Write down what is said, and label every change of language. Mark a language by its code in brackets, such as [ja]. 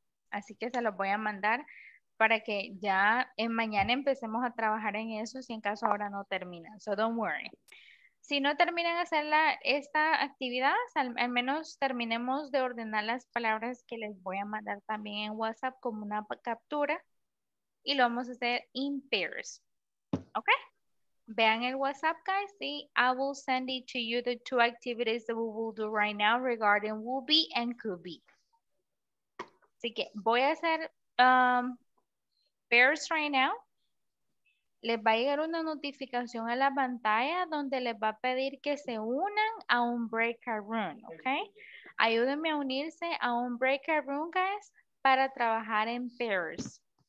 [es] Así que se los voy a mandar para que ya en mañana empecemos a trabajar en eso si en caso ahora no terminan. [en] So don't worry. [es] Si no terminan de hacer esta actividad, al menos terminemos de ordenar las palabras que les voy a mandar también en WhatsApp como una captura y lo vamos a hacer [en] in pairs. [es] ¿Ok? Vean el WhatsApp, guys. [en] Y I will send it to you the two activities that we will do right now regarding will be and could be. [es] Así que voy a hacer [en] pairs right now. [es] Les va a llegar una notificación a la pantalla donde les va a pedir que se unan a un breakout room, ¿ok? Ayúdenme a unirse a un breakout room, guys, para trabajar en pairs.